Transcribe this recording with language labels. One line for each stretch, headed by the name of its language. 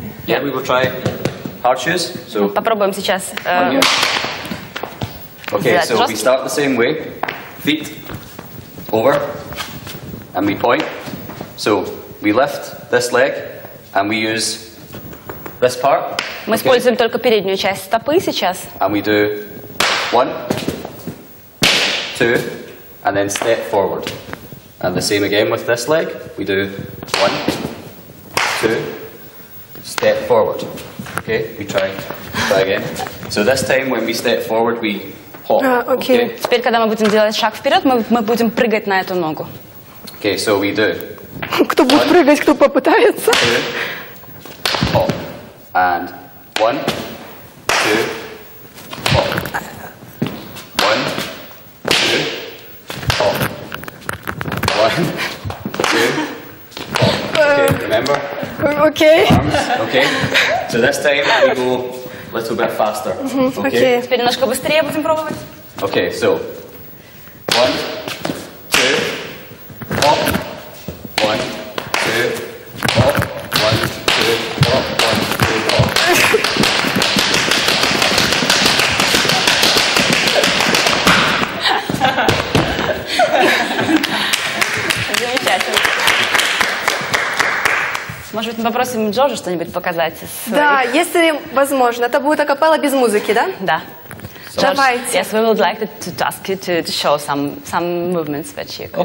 English: Yeah, we will try hard shoes. So.
Russian: Попробуем сейчас.
English: Okay, so we start the same way. Feet over, and we point. So we lift this leg, and we use this part.
Russian: Мы используем только переднюю часть стопы сейчас.
English: And we do one, two, and then step forward. And the same again with this leg. We do one, two, step forward. Okay, we try again. So this time when we step forward, we hop. Okay.
Russian: Теперь, когда мы будем делать шаг вперед, мы будем прыгать на эту ногу.
English: Okay, so we do.
Russian: Кто будет прыгать, кто попытается?
English: Hop. And one, two, hop. One, two, hop. One, two, hop. Okay, remember? Okay. Arms, okay. So this time we go a little bit faster. Okay.
Russian: Теперь немножко быстрее будем пробовать.
English: Okay, so one, two, hop. One, two, hop. One, two, hop. One, two, hop.
Russian: Может быть, мы попросим Джорджа что-нибудь показать? Да, если возможно. Это будет акапелла без музыки, да? Да. So давайте.
English: Yes, we would like to ask you to show some movements that you could.